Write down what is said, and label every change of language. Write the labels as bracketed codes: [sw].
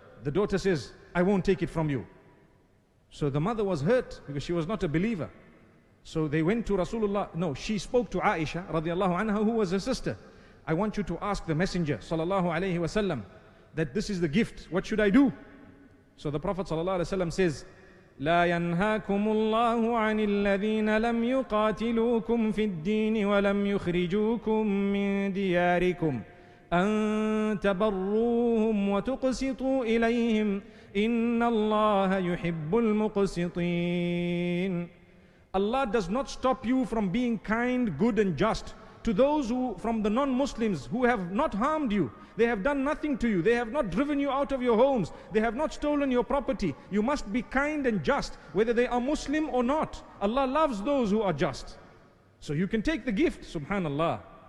[en] The daughter says, I won't take it from you. So the mother was hurt because she was not a believer. So they went to Rasulullah. No, she spoke to Aisha radiallahu anha, who was her sister. I want you to ask the messenger sallallahu alayhi wa sallam that this is the gift. What should I do? So the Prophet sallallahu alayhi wa sallam says, [ar] لا ينهاكم الله عن الذين لم يقاتلوكم في الدين ولم يخرجوكم من دياركم أن تبروهم وتقسطوا إليهم إن الله يحب المقسطين. [en] Allah does not stop you from being kind, good and just to those who, from the non-Muslims, who have not harmed you. They have done nothing to you. They have not driven you out of your homes. They have not stolen your property. You must be kind and just, whether they are Muslim or not. Allah loves those who are just. So you can take the gift, subhanallah.